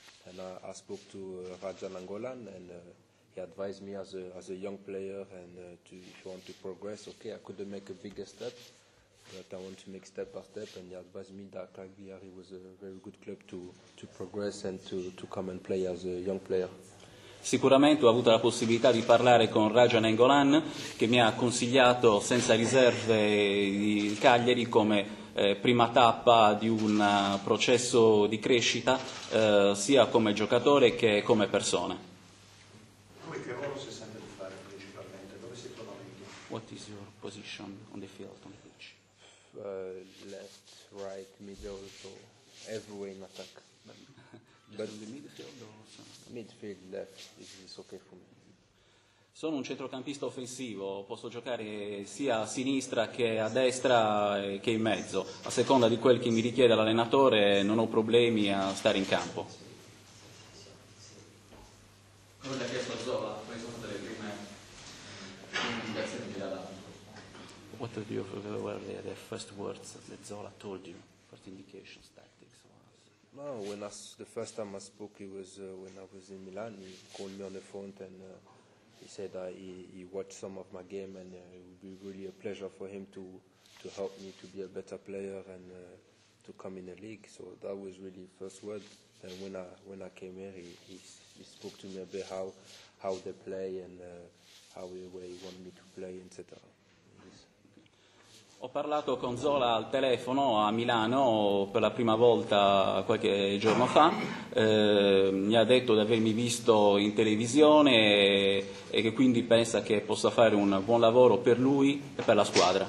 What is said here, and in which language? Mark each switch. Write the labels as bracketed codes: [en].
[en] And I spoke to Raja Nangolan, and he advised me as a young player, and if you want to progress, okay, I couldn't make a bigger step, but I want to make step by step, and he advised me that Cagliari was a very good club to progress and to come and play as a young player. [it] Sicuramente ho avuto la possibilità di parlare con Raja Nangolan, che mi ha consigliato senza riserve il Cagliari come prima tappa di un processo di crescita, sia come giocatore che come persona. Lui che ruolo si sente di fare principalmente? Dove si trova meglio? [en] What is your position on the field, on the pitch? Left, right, middle, so everywhere in attack. But in the midfield or something? Midfield, left, is okay for me. [it] Sono un centrocampista offensivo, posso giocare sia a sinistra che a destra che in mezzo. A seconda di quel che mi richiede l'allenatore, non ho problemi a stare in campo. Come ti ha chiesto Zola, quali sono state le prime indicazioni che ha dato? [en] What did you have, were the first words that Zola told you? First indications, tactics? No, when the first time I spoke, it was when I was in Milan. He called me on the phone and he said that he watched some of my game, and it would be really a pleasure for him to help me to be a better player and to come in the league. So that was really the first word. And when I came here, he spoke to me a bit how they play and how where he wanted me to play, etc. [it] Ho parlato con Zola al telefono a Milano per la prima volta qualche giorno fa, mi ha detto di avermi visto in televisione e che quindi pensa che possa fare un buon lavoro per lui e per la squadra.